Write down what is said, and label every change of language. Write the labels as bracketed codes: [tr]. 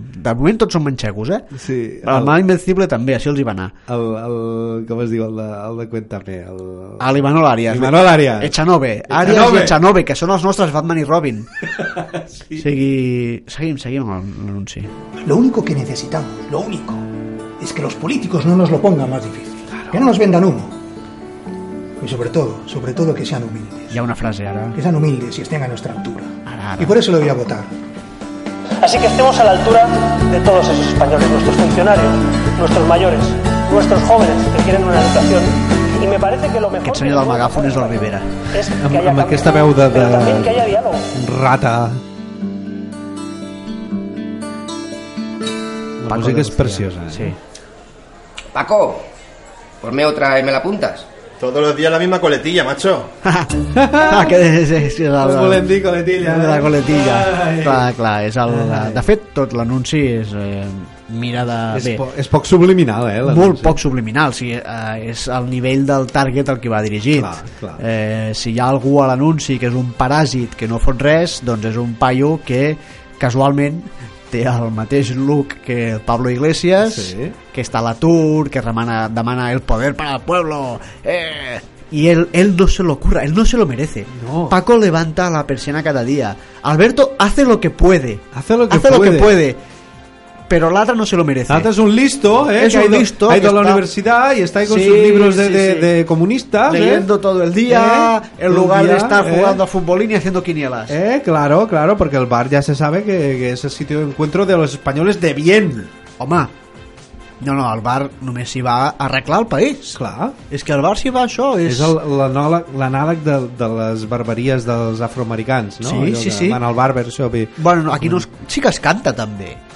[ca] De moment tots són manxecos, eh? Sí. L'Armada Invencible també, així els hi va anar. Com es diu? El de Cuéntame. L'Imanol Arias. L'Imanol Arias. Echanove. Arias i Echanove, que són els nostres Batman i Robin. Sí. Seguim l'anunci. [es] Lo único que necesitamos, lo único, es que los políticos no nos lo pongan más difícil. Claro. Que no nos vendan humo. Y sobre todo que sean humildes. Ya una frase ahora. Que sean humildes y estén a nuestra altura. Ahora. Y por eso lo voy a votar. Así que estemos a la altura de todos esos españoles, nuestros funcionarios, nuestros mayores, nuestros jóvenes que quieren una educación. Y me parece que lo mejor. [ca] Aquest senyor del megàfon és el Rivera. Amb aquesta veu de [es] que haya diálogo. Rata. [ca] La música és preciosa, sí. [es] Paco, por mí otra y me la apuntas. Todos los días la misma coletilla, macho. Que es la coletilla. La coletilla. [ca] Clar, és el, de fet, tot l'anunci és mirada bé. És poc subliminal, eh? Molt poc subliminal. Sí, és el nivell del target al que va dirigit. Clar, clar. Si hi ha algú a l'anunci que és un paràsit que no fot res, doncs és un paio que casualment té el mateix look que Pablo Iglesias, sí, que està a l'atur, que demana el poder [es] para el pueblo. [ca] I ell [es] no se lo curra, ell no se lo merece. No. Paco levanta la persiana cada dia. Alberto hace lo que puede. Hace lo que puede. pero Latra no se lo merece. Latra es un listo, es que un listo. Ha ido a la universidad y está ahí con sus libros de comunistas. Leyendo todo el día, en lugar de estar jugando a futbolín y haciendo quinielas. Claro, claro, porque el bar ya se sabe que es el sitio de encuentro de los españoles de bien. [ca] Home, no, el bar només s'hi va a arreglar el país. Clar. És que el bar s'hi va a això. És l'anàleg de les barberies dels afroamericans, no? Sí. Van al barber, això. Bueno, aquí no sí que es canta, també.